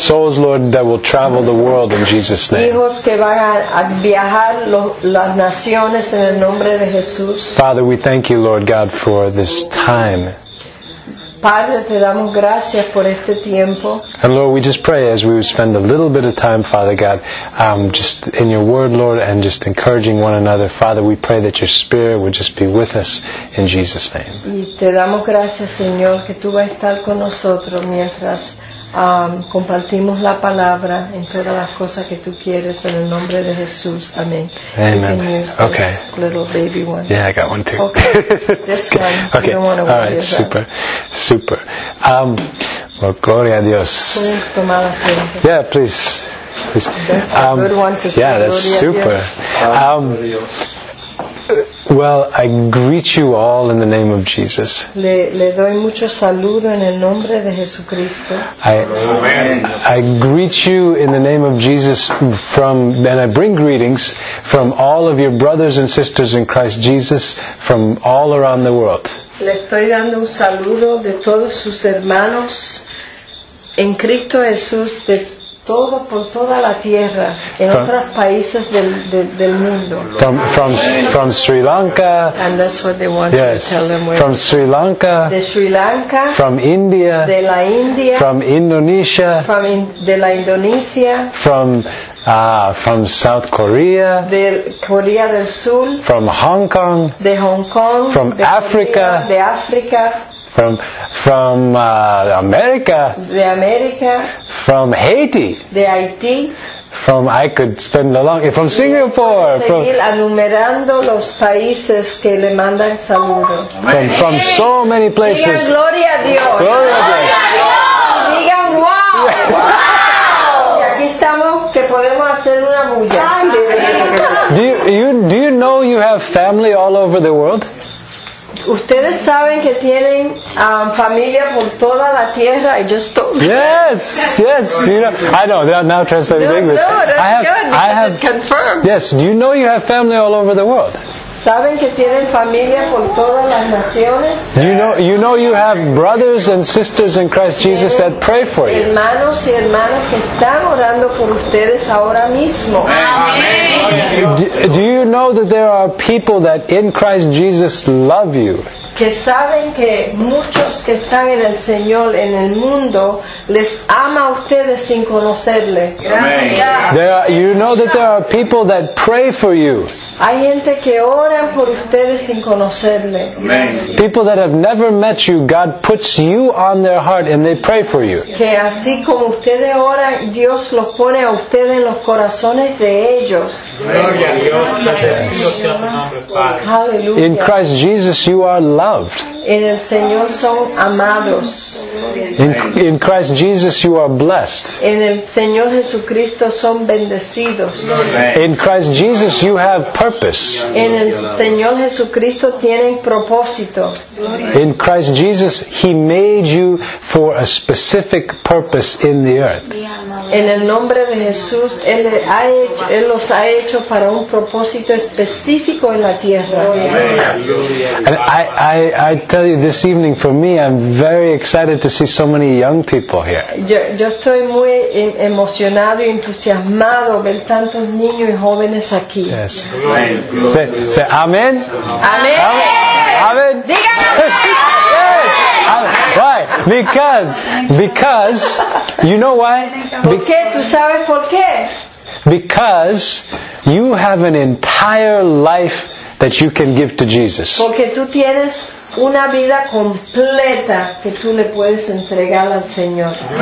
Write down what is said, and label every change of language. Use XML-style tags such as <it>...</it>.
<en>Souls, Lord, that will travel the world in Jesus' name.</en> <es>Hijos que van a viajar las naciones en el nombre de Jesús.</es> <en>Father, we thank you, Lord God, for this time.</en> <es>Padre, te damos gracias por este tiempo.</es> <en>And Lord, we just pray as we would spend a little bit of time, Father God, just in your word, Lord, and just encouraging one another. Father, we pray that your Spirit would just be with us in Jesus' name.</en> <es>Y te damos gracias, Señor, que tú vas a estar con nosotros mientras compartimos la palabra en todas las cosas que tú quieres en el nombre de Jesús. Amén.</es> <en>Amen. Okay. Little baby one. Yeah, I got one too. Okay. This okay. one. Okay. You don't All right. That. Super. Super. Well,</en> <es>gloria a Dios.</es> <en>Yeah, please. That's a good one to say. Yeah, that's</en> <es>gloria</es> <en>super.</en> <es>Dios.</es> <en>Well, I greet you all in the name of Jesus.</en> <es>Le doy mucho saludo en el nombre de Jesucristo.</es> <en>I greet you in the name of Jesus from, and I bring greetings from all of your brothers and sisters in Christ Jesus from all around the world.</en> <es>Le estoy dando un saludo de todos sus hermanos en Cristo Jesús de todo por toda la tierra en otros países del mundo.</es> <en>From Sri Lanka. And that's what they want yes. to tell them. From Sri Lanka.</en> <es>De Sri Lanka.</es> <en>From India.</en> <es>De la India.</es> <en>From Indonesia. From</en> <es>de la Indonesia.</es> <en>From South Korea.</en> <es>De Corea del Sur.</es> <en>From Hong Kong.</en> <es>De Hong Kong.</es> <en>From Africa.</en> <es>De África.</es> <en>From America.</en> <es>De América.</es> <en>From Haiti.</en> <es>De Haití.</es> <en>From I could spend a long from Singapore. From</en> <es>enumerando los países que le mandan saludos.</es> <en>From so many places.</en> <es>Digan gloria a Dios. Gloria a Dios. Digan wow. Wow. Y aquí estamos que podemos hacer una bulla.</es> <en>Do you know you have family all over the world?</en> <es>Ustedes saben que tienen familia por toda la tierra.</es> <en>I just don't. Yes, you know. I know. They are now translating no, English. No, that's I have, good. I have confirmed. Yes, do you know you have family all over the world?</en> <es>Saben que tienen familia por todas las naciones.</es> <en>You know you have brothers and sisters in Christ Jesus that pray for you.</en> <es>Hermanos y hermanas que están orando por ustedes ahora mismo.</es> <en>Do you know that there are people that in Christ Jesus love you?</en> <es>Que saben que muchos que están en el Señor en el mundo les ama a ustedes sin conocerle.</es> <en>You know that there are people that pray for you.</en> <es>Hay gente que oran por ustedes sin conocerle.</es> <en>People that have never met you, God puts you on their heart and they pray for you.</en> <es>Que así como ustedes oran, Dios los pone a ustedes en los corazones de ellos. Gloria a Dios.</es> <en>Hallelujah. In Christ Jesus, you are loved.</en> <es>En el Señor son amados.</es> <en>In Christ Jesus, you are blessed.</en> <es>En el Señor Jesucristo son bendecidos.</es> <en>In Christ Jesus, you have purpose.</en> <es>En el Señor Jesucristo tienen propósito.</es> <en>In Christ Jesus, He made you for a specific purpose in the earth.</en> <es>En el nombre de Jesús, Él los ha hecho para un propósito específico en la tierra.</es> <en>And I tell you, this evening for me, I'm very excited to see so many young people here.</en> <es>Yo estoy muy emocionado y entusiasmado ver tantos niños y jóvenes aquí.</es> <en>Yes. Say amen. Amen. Amen.</en> <es>Digan amen.</es> <en>Yes. Right. Because, you know why? Because you have an entire life that you can give to Jesus.</en> <es>Porque tú tienes una vida completa que tú le puedes entregar al Señor.</es>